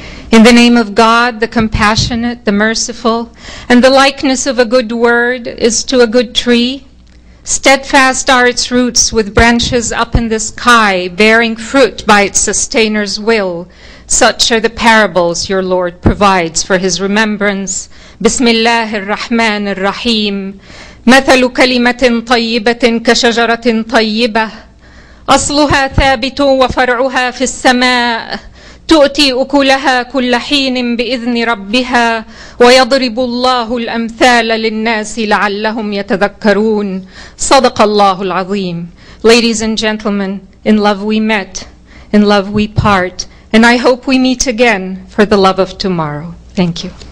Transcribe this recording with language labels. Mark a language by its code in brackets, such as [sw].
[en] In the name of God, the compassionate, the merciful, and the likeness of a good word is to a good tree. Steadfast are its roots with branches up in the sky, bearing fruit by its sustainer's will. Such are the parables your Lord provides for his remembrance. [ar] Bismillah ar-Rahman ar-Rahim. مثل كلمة طيبة كشجرة طيبة. أصلها ثابت وفرعها في السماء. تؤتي أكلها كل حين بإذن ربها. ويضرب الله الأمثال للناس لعلهم يتذكرون. صدق الله العظيم. [en] Ladies and gentlemen, in love we met, in love we part, and I hope we meet again for the love of tomorrow. Thank you.